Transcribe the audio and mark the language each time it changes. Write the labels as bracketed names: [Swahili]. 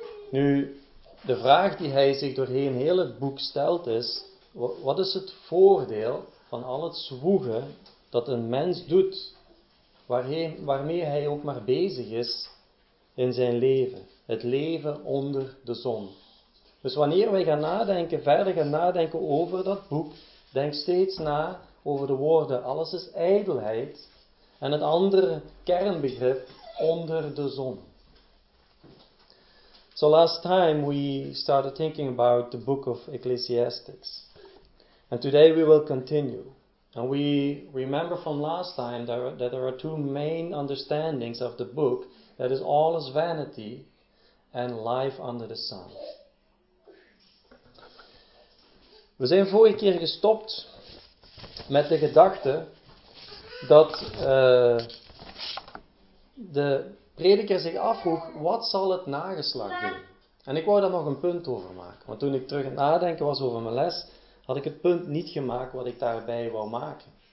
[Dutch] Nu, de vraag die hij zich doorheen heel het boek stelt is, wat is het voordeel van al het zwoegen dat een mens doet, waarmee hij ook maar bezig is in zijn leven, het leven onder de zon. Dus wanneer wij gaan nadenken, verder gaan nadenken over dat boek, denk steeds na over de woorden alles is ijdelheid en het andere kernbegrip onder de zon. [English] So last time we started thinking about the book of Ecclesiastes. And today we will continue. And we remember from last time that there are two main understandings of the book, that is all is vanity and life under the sun. [Dutch] We zijn vorige keer gestopt met de gedachte dat de prediker zich afvroeg, wat zal het nageslacht doen? En ik wou daar nog een punt over maken, want toen ik terug aan het nadenken was over mijn les, had ik het punt niet gemaakt wat ik daarbij wou maken.